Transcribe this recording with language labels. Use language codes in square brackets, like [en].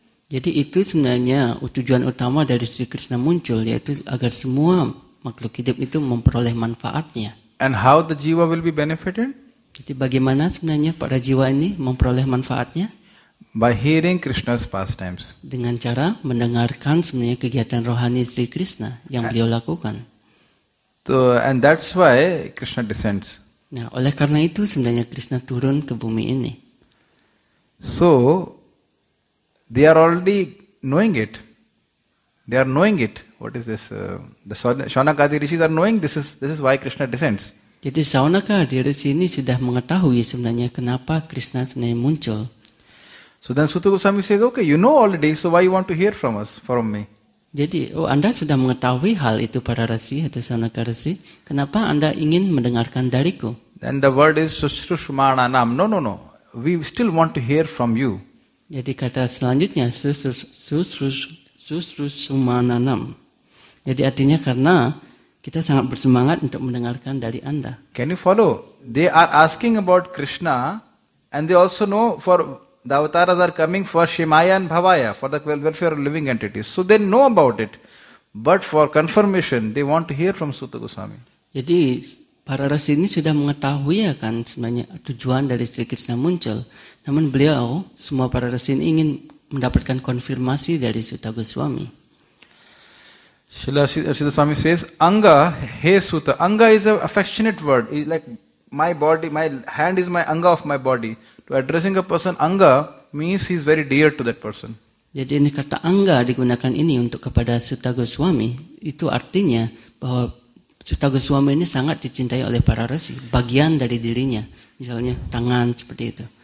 [id] Jadi itu sebenarnya tujuan utama dari Sri Krishna muncul, yaitu agar semua makhluk hidup itu memperoleh manfaatnya. [en] And how the jiva will be benefited? [id] Jadi bagaimana sebenarnya para jiwa ini memperoleh manfaatnya? [en] By hearing Krishna's pastimes. [id] Dengan cara mendengarkan sebenarnya kegiatan rohani Sri Krishna yang beliau lakukan. [en] So and that's why Krishna descends. [id] Nah, oleh karena itu sebenarnya Krishna turun ke bumi ini. [en] So they are already knowing it. They are knowing it. What is this? The Shaunakadi rishis are knowing this is why Krishna descends. [id] Jadi Shaunakadi rishi ini sudah mengetahui sebenarnya kenapa Krishna sebenarnya muncul. [en] So then Suta Goswami says, okay, you know already, so why you want to hear from me? [id] Jadi, oh Anda sudah mengetahui hal itu para rasi atau sanaka rasi, kenapa Anda ingin mendengarkan dariku? [en] Then the word is susrushumananam. No. We still want to hear from you. [id] Jadi kata selanjutnya, susrushumananam. Jadi artinya karena kita sangat bersemangat untuk mendengarkan dari Anda. [en] Can you follow? They are asking about Krishna and they also know for... The avatars are coming for Shimaya and Bhavaya, for the welfare of living entities. So they know about it. But for confirmation, they want to hear from Suta Goswami. [id] Jadi, para rasi ini sudah mengetahui kan sebenarnya tujuan dari Sri Krishna muncul. Namun beliau, semua para rasi ini ingin mendapatkan konfirmasi dari Suta Goswami. [en] Srila Swami says, Anga, he Suta. Anga is an affectionate word. It's like my body, my hand is my Anga of my body. To addressing a person anga means he is very dear to that person. [id] Jadi ini kata anga digunakan ini untuk kepada Suta Goswami itu artinya bahwa Suta Goswami ini sangat dicintai oleh para rasi, bagian dari dirinya, misalnya tangan seperti itu.